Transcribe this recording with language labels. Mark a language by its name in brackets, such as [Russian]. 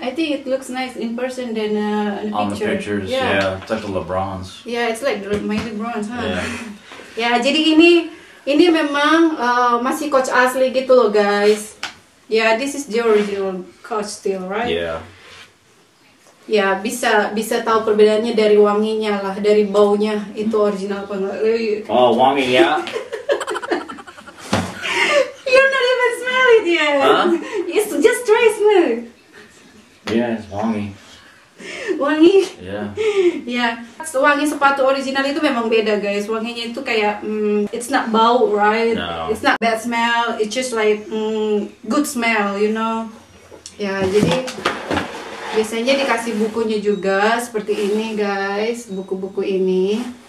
[English] I think it looks nice in person than on the picture. On the pictures, yeah. It's like the LeBron's. Yeah, it's like my LeBron's, huh? Yeah, [Indonesian] yeah jadi ini memang masih Coach asli gitu loh guys. [English] Yeah, this is the original Coach still, right? Yeah. [Indonesian] Yeah, bisa tahu perbedaannya dari wanginya lah, dari baunya itu original apa enggak? Oh, wangi ya? [English] You're not even smell it yet. Huh? It's just trace me. Yeah, it's wangi. [Indonesian] Wangi? [English] Yeah. [Indonesian] Yeah, wangi sepatu original itu memang beda guys. Wanginya itu kayak, [English] it's not [Indonesian] bau, [English] right? No. It's not bad smell, it's just like, good smell, you know? [Indonesian] Ya, jadi biasanya dikasih bukunya juga seperti ini guys, buku-buku ini.